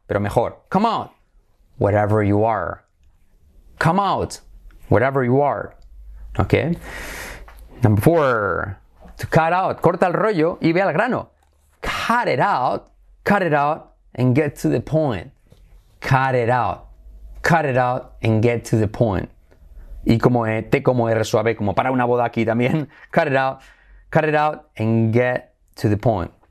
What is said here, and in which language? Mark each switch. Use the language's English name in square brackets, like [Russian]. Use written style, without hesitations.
[Spanish] Pero mejor, [English] come out wherever you are. Come out wherever you are. Ok. Number four. Cut out, [Spanish] corta el rollo y ve al grano. [English] Cut it out and get to the point. Cut it out and get to the point. [Spanish] Y como es, T como R suave, como para una boda aquí también. [English] Cut it out and get to the point.